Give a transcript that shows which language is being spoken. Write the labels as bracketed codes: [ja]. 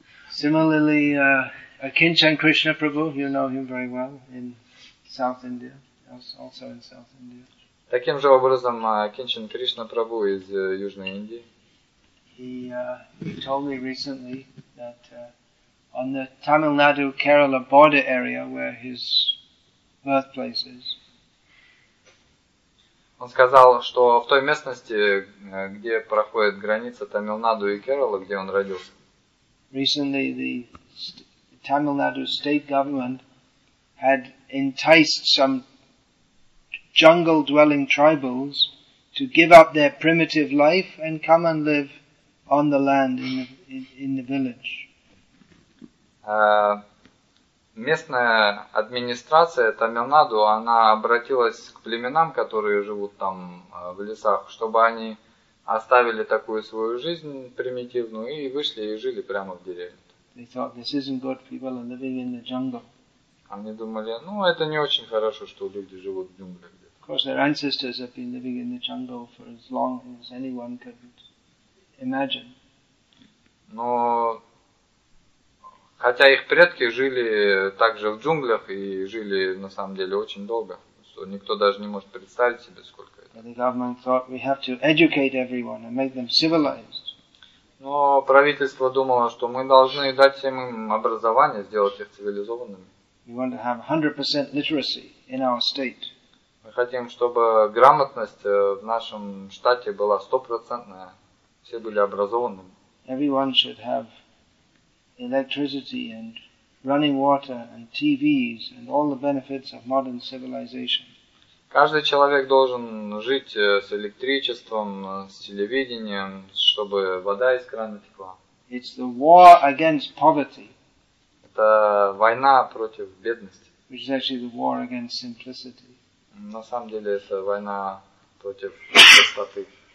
[en] Similarly, Akinchan Krishna Prabhu, you know him very well, in South India, also in South India. [ru] Таким же образом, Акинчан Кришна Прабху из Южной Индии. [en] He told me recently that on the Tamil Nadu Kerala border area where his birthplace is. [ru] Он сказал, что в той местности, где проходит граница Tamil Nadu и Kerala, где он родился. [en] Recently, the Tamil Nadu state government had enticed some jungle-dwelling tribals to give up their primitive life and come and live on the land in the village. [ru] Местная администрация Tamil Nadu, она обратилась к племенам, которые живут там в лесах, чтобы они оставили такую свою жизнь примитивную и вышли и жили прямо в деревне. Они думали, ну это не очень хорошо, что люди живут в джунгле где-то. [en] Of course, their ancestors have been living in the jungle for as long as anyone could imagine. [ru] Но хотя их предки жили также в джунглях и жили на самом деле очень долго, что никто даже не может представить себе, сколько это. [en] The government thought we have to educate everyone and make them civilized. [ru] Но правительство думало, что мы должны дать всем им образование, сделать их цивилизованными. [en] We want to have 100% literacy in our state. [ru] Мы хотим, чтобы грамотность в нашем штате была 100%, все были образованными. [en] Everyone should have electricity and running water and TVs and all the benefits of modern civilization. [ru] Каждый человек должен жить с электричеством, с телевидением, чтобы вода из крана текла. [en] It's the war against poverty. [ru] Это война против бедности. [en] Which is actually the war against simplicity. [ru] На самом деле это война против простоты.